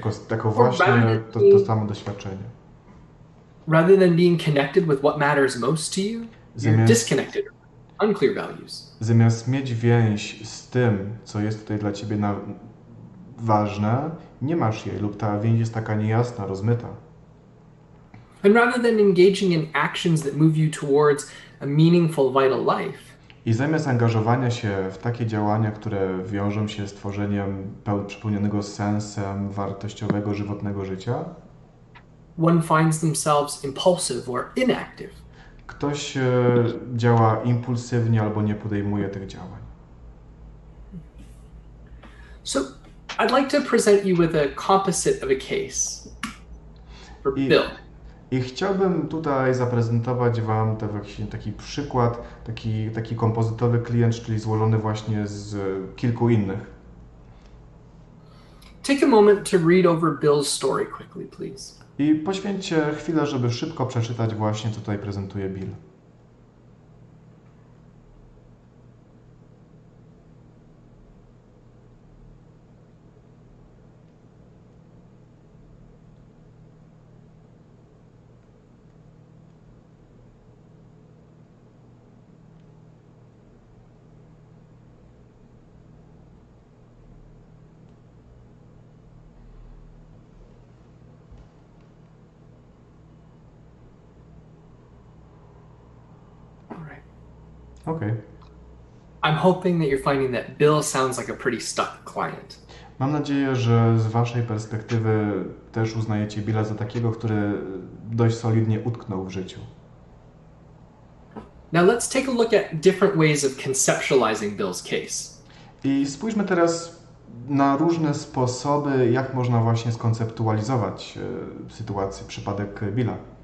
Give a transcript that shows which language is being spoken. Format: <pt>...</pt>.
<pl>Jako właśnie to samo doświadczenie.</pl> <en>Rather than being connected with what matters most to you, you're disconnected. Unclear values.</en> <pl>Zamiast mieć więź z tym, co jest tutaj dla ciebie ważne, nie masz jej lub ta więź jest taka niejasna, rozmyta.</pl> <en>And rather than engaging in actions that move you towards a meaningful, vital life.</en> <pl>I zamiast angażowania się w takie działania, które wiążą się z tworzeniem przepełnionego sensem, wartościowego, żywotnego życia.</pl> <en>One finds themselves impulsive or inactive.</en> <pl>Ktoś działa impulsywnie albo nie podejmuje tych działań.</pl> <en>So, I'd like to present you with a composite of a case for Bill.</en> <pl>I chciałbym tutaj zaprezentować wam taki przykład, taki kompozytowy klient, czyli złożony właśnie z kilku innych.</pl> <en>Take a moment to read over Bill's story quickly, please.</en> <pl>I poświęćcie chwilę, żeby szybko przeczytać właśnie, co tutaj prezentuje Bill.</pl> <en>Okay. I'm hoping that you're finding that Bill sounds like a pretty stuck client.</en> <pl>Mam nadzieję, że z waszej perspektywy też uznajecie Billa za takiego, który dość solidnie utknął w życiu.</pl> <en>Now let's take a look at different ways of conceptualizing Bill's case.</en> <pl>I spójrzmy teraz na różne sposoby, jak można właśnie skonceptualizować sytuację, przypadek Billa.</pl>